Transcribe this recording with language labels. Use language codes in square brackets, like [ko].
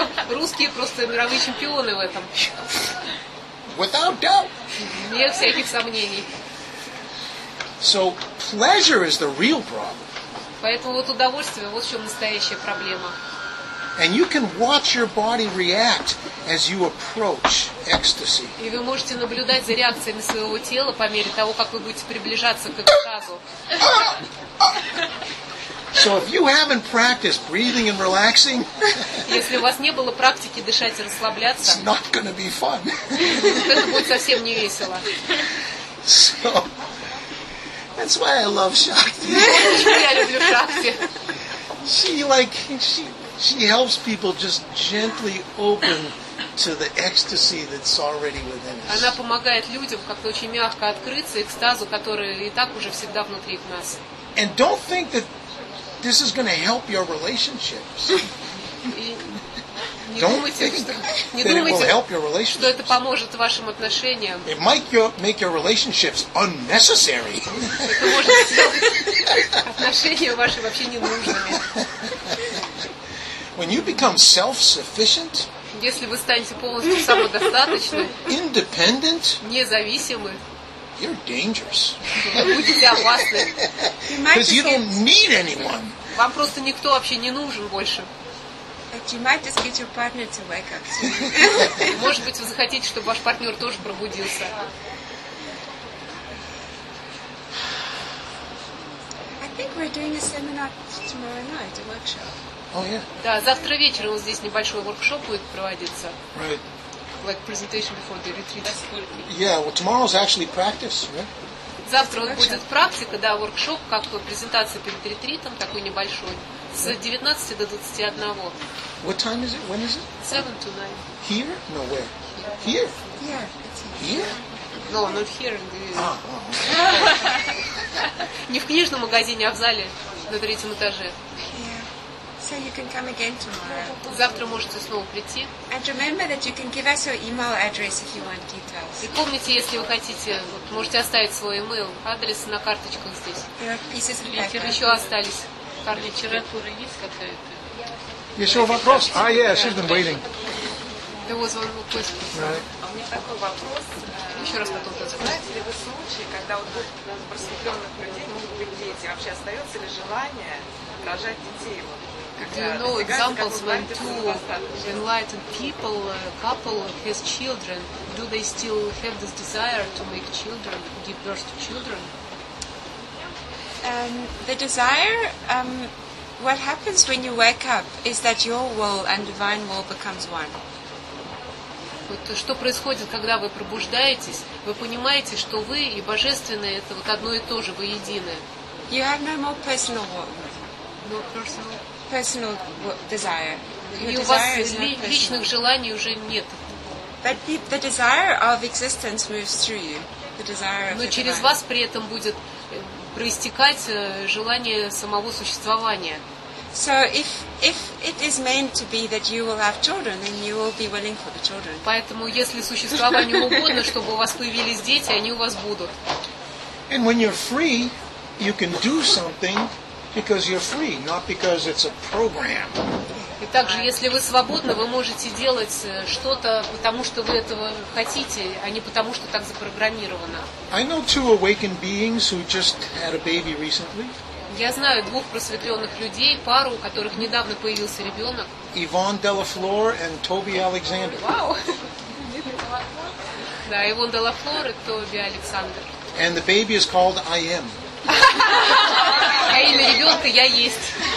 [ru] Русские просто мировые чемпионы в этом. [en] Without doubt. [ru] Нет всяких сомнений. [en] So pleasure is the real problem. [ru] Поэтому вот удовольствие, вот в чем настоящая проблема. [en] And you can watch your body react as you approach ecstasy. [ru] И вы можете наблюдать за реакциями своего тела по мере того, как вы будете приближаться к экстазу. [en] So if you haven't practiced breathing and relaxing, [ru] если у вас не было практики дышать и расслабляться, [en] it's not going to be fun. [ru] Это будет совсем не весело. [en] So that's why I love Shakti. [ru] Я люблю Шакти. [en] She helps people just gently open to the ecstasy that's already within us. [ru] Она помогает людям как-то очень мягко открыться экстазу, который и так уже всегда внутри нас. [en] And don't think that this is going to help your relationships. [ru] Не думайте, что это поможет вашим отношениям. [en] It might make your relationships unnecessary. [ru] Это может сделать отношения ваши вообще ненужными. [en] When you become self-sufficient, [ru] если вы станете полностью самодостаточны, [en] independent, [ru] независимы, [en] you're dangerous. [ru] Вы будете опасны. [en] Because you don't need anyone. [ru] Вам просто никто вообще не нужен больше. [en] But you might just get your partner to wake up. [ru] Может быть, вы захотите, чтобы ваш партнер тоже пробудился. [en] I think we're doing a seminar tomorrow night, a workshop. Oh, yeah. [ru] Да, завтра вечером здесь небольшой воркшоп будет проводиться. [en] Right. Like presentation before the retreat. Yeah, well, tomorrow's actually practice, right? [ru] Завтра вот будет практика, да, воркшоп, как презентация перед ретритом, такой небольшой, с 19 до 21. [en] What time is it? When is it? 7 to 9. Here? No, where? Here? Yeah, it's here. Here? Yeah. No, not here. [ru] Не в книжном магазине, а в зале на третьем этаже. [en] So you can come again tomorrow. [ru] Завтра можете снова прийти. [en] And remember that you can give us your email address if you want details. [ru] И помните, если вы хотите, вот, можете оставить свой email адрес на карточках здесь. [en] There are pieces of paper. [ru] Еще остались карточки. Литература есть какая-то? Еще вопрос? А, [en] yeah, she's been waiting. There was one question. Right. [ru] А у меня такой вопрос. Еще раз потом. Знаете ли вы случаи, когда вот просветленных людей могут быть дети? Вообще остается ли желание рожать детей? [en] Do you know examples when two enlightened people, couple has children, do they still have this desire to make children, give birth to children? The desire, what happens when you wake up is that your will and divine will becomes one. [ru] Вот что происходит, когда вы пробуждаетесь, вы понимаете, что вы и божественное это вот одно и то же, вы единое. [en] You have no more personal will. No personal will. Personal desire. [ru] И у вас личных желаний уже нет. [en] But the desire of existence moves through you. The desire. [ru] Но через вас при этом будет проистекать желание самого существования. [en] So if it is meant to be that you will have children, then you will be willing for the children. [ru] Поэтому если существованию угодно, чтобы у вас появились дети, они у вас будут. [en] And when you're free, you can do something. Because you're free, not because it's a program. [ru] И также, если вы свободны, вы можете делать что-то, потому что вы этого хотите, а не потому что так запрограммировано. [en] I know two awakened beings who just had a baby recently. [ru] Я знаю двух просветленных людей, пару, у которых недавно появился ребенок. [en] Yvonne Delaflore and Toby Alexander. Wow. [ru] Да, Yvonne Delaflore и Toby Alexander. [en] And the baby is called I Am. [ru] А имя ребенка я есть.